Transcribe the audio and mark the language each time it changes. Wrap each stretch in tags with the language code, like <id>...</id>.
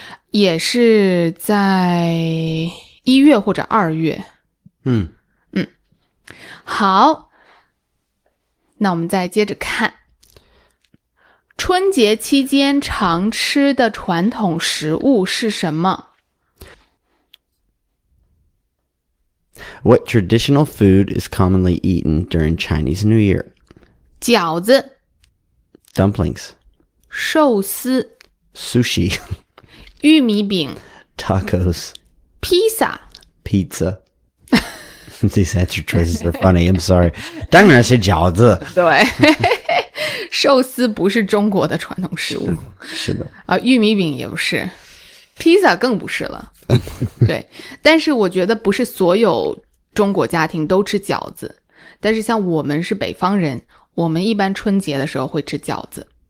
<zh>也是在一月或者二月。嗯。嗯。好。那我们再接着看。春节期间常吃的传统食物是什么</zh> <en>?What traditional food is commonly eaten during Chinese New Year?</en> <zh>饺子。</zh> <en>Dumplings.</en> <zh>寿司。</zh> <en>Sushi.</en> <zh>玉米饼</zh> <en>Tacos Pizza Pizza These answer choices are funny, I'm sorry</en> <zh>当然是饺子对寿司不是中国的传统食物是的啊，玉米饼也不是 Pizza 更不是了对但是我觉得不是所有中国家庭都吃饺子但是像我们是北方人我们一般春节的时候会吃饺子</zh>